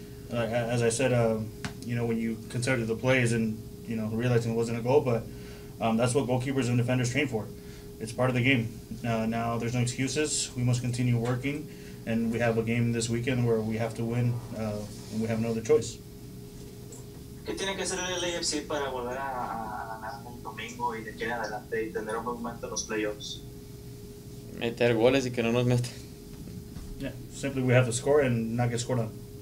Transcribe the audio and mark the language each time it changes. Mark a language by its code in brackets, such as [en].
[en] As I said, you know, when you consider the plays and, you know, realizing it wasn't a goal, but that's what goalkeepers and defenders train for. It's part of the game. Now there's no excuses. We must continue working, and we have a game this weekend where we have to win, and we have no other choice. [es] ¿Qué tiene que hacer el AFC para volver a ganar un domingo y de aquí en adelante y tener un buen momento en los playoffs? Meter goles y que no nos meten. [en] Yeah, simply we have to score and not get scored on.